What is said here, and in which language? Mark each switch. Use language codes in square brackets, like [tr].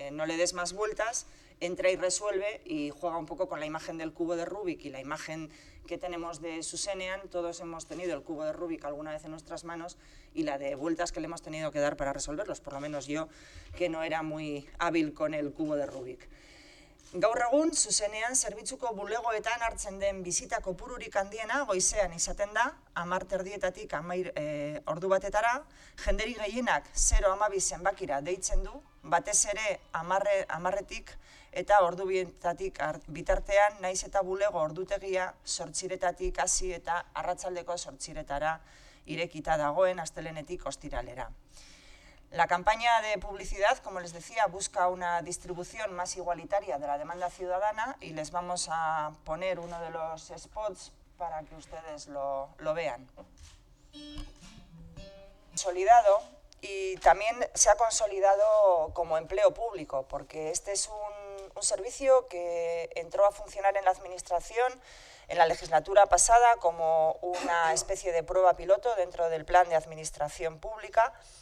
[es] No le des más vueltas, entra y resuelve y juega un poco con la imagen del cubo de Rubik y la imagen que tenemos de Zuzenean. Todos hemos tenido el cubo de Rubik alguna vez en nuestras manos y la de vueltas que le hemos tenido que dar para resolverlos, por lo menos yo, que no era muy hábil con el cubo de Rubik. [eu] Gaur egun, Zuzenean zerbitzuko bulegoetan hartzen den bizita kopururik handiena goizean izaten da, 10:30-tik ordu batetara, jenderi gehienak 0-12 zenbakira deitzen du, batez ere 10:30-tik eta ordu bietatik bitartean, naiz eta bulego ordutegia 8:00-tik hasi eta arratsaldeko 8:00-tara irekita dagoen astelenetik ostiralera. [es] La campaña de publicidad, como les decía, busca una distribución más igualitaria de la demanda ciudadana y les vamos a poner uno de los spots para que ustedes lo vean. Consolidado y también se ha consolidado como empleo público, porque este es un servicio que entró a funcionar en la Administración en la legislatura pasada como una especie de prueba piloto dentro del plan de Administración Pública.